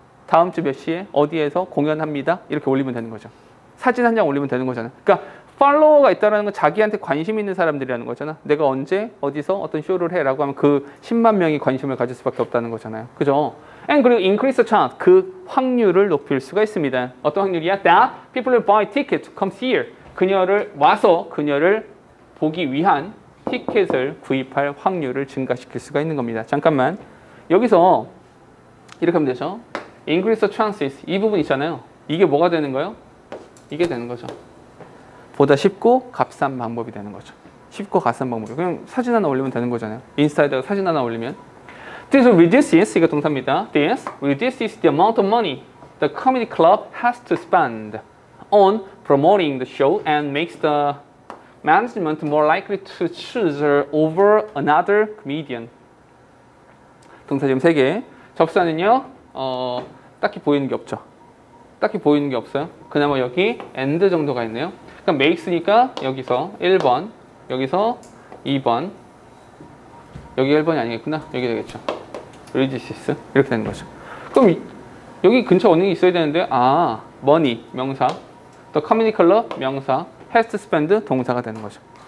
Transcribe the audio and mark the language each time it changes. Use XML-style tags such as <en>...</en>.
<ko>다음 주 몇 시에 어디에서 공연합니다. 이렇게 올리면 되는 거죠. 사진 한 장 올리면 되는 거잖아. 그러니까 팔로워가 있다는 건 자기한테 관심 있는 사람들이라는 거잖아. 내가 언제 어디서 어떤 쇼를 해라고 하면 그 10만 명이 관심을 가질 수밖에 없다는 거잖아요. 그죠? And 그리고</ko> <en>increase the chance,</en> <ko>그 확률을 높일 수가 있습니다. 어떤 확률이야?</ko> <en>That people will buy ticket to come see her.</en> <ko>그녀를 와서 그녀를 보기 위한 티켓을 구입할 확률을 증가시킬 수가 있는 겁니다. 잠깐만. 여기서 이렇게 하면 되죠.</ko> <en>Increase the chances.</en> <ko>이 부분 있잖아요. 이게 뭐가 되는 거예요? 이게 되는 거죠. 보다 쉽고 값싼 방법이 되는 거죠. 쉽고 값싼 방법. 그냥 사진 하나 올리면 되는 거잖아요. 인스타에다가 사진 하나 올리면.</ko> <en>This reduces,</en> <ko>이거 동사입니다.</ko> <en>This reduces the amount of money the comedy club has to spend on promoting the show and makes the management more likely to choose her over another comedian.</en> <ko>동사 지금 3개. 접사는요, 딱히 보이는 게 없죠. 딱히 보이는 게 없어요. 그나마 여기 and 정도가 있네요. 그러니까 makes니까 여기서 1번, 여기서 2번, 여기 1번이 아니겠구나. 여기 되겠죠. reduces 이렇게 되는 거죠. 그럼 여기 근처 어느 게 있어야 되는데, 아, money 명사, the comedy club 명사, has to spend 동사가 되는 거죠.</ko>